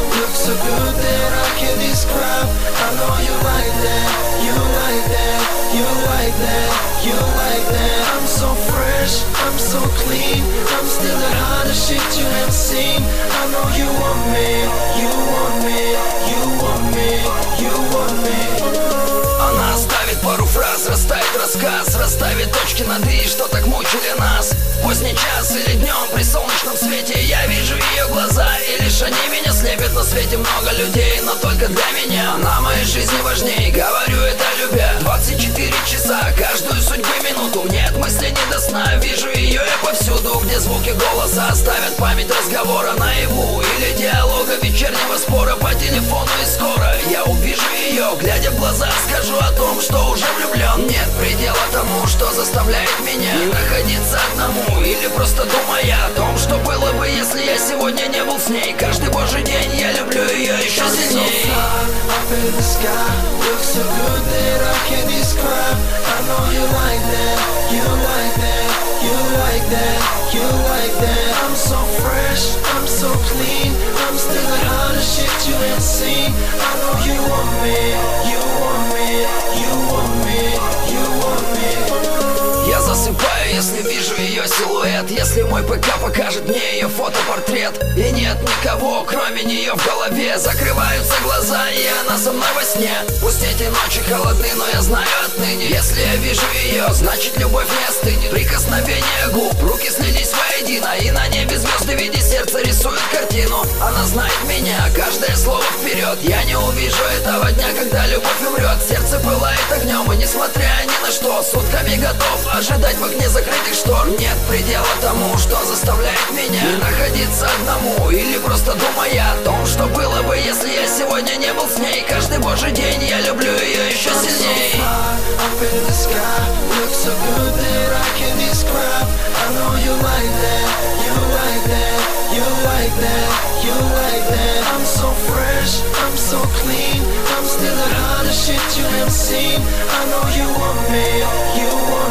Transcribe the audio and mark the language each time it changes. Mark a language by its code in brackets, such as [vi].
[en] Look so good that I can't describe. I know you like that, you like that, you like that, you like that. I'm so fresh, I'm so clean, I'm still the hottest shit you have seen. I know you want me, you want me, you want me, you want me. [ru] Она оставит пару фраз, растает рассказ, расставит точки над «и», что так мучили нас. Поздний час или днем при солнечном свете, я вижу ее глаза, и лишь они меня слепят. На свете много людей, но только для меня она моей жизни важнее, говорю это любя. 24 часа, каждую судьбу минуту, нет мысли не до сна, вижу ее я повсюду. Где звуки голоса оставят память разговора наяву, или диалога вечернего спора по телефону, и скоро я увижу ее, глядя в глаза, скажу о том, что уже влюблен. Нет предела тому, что заставляет меня не находиться одному, или просто думая о том, что было бы, если я сегодня не был с ней. Каждый божий день я люблю ее еще сильнее. [en] I'm so fly, up in the sky. Look so good that I can't describe. I know you like that, you like that, you like that, you like that. I'm so fresh, I'm so clean, I'm still the hottest shit you have seen. I know you want me, you want me, you want me, you want me. [ru] Я засыпаю, если вижу ее силуэт, если мой ПК покажет мне ее фотопортрет. И нет никого, кроме нее в голове. Закрываются глаза, и она со мной во сне. Пусть эти ночи холодны, но я знаю отныне, если я вижу ее, значит любовь не остынет. Прикосновение губ, руки слились воедино, и на небе звезды в виде сердца рисуют картину. Она знает меня, каждое слово вперед. Я не увижу этого дня, когда любовь умрет. Сердце пылает огнем, и несмотря ни на что, сутками готов ожидать в окне закрытых штор. Нет предела тому, что заставляет меня не находиться одному, или просто думая о том, что было бы, если я сегодня не был с ней. Каждый божий день я люблю ее еще сильней. [en] I'm so far up in the sky. Look so good that I can't describe. I know you like that, you like that, you like that, you like that. I'm so fresh, I'm so clean, I'm still the hottest shit you have seen. I know you want me, you want me.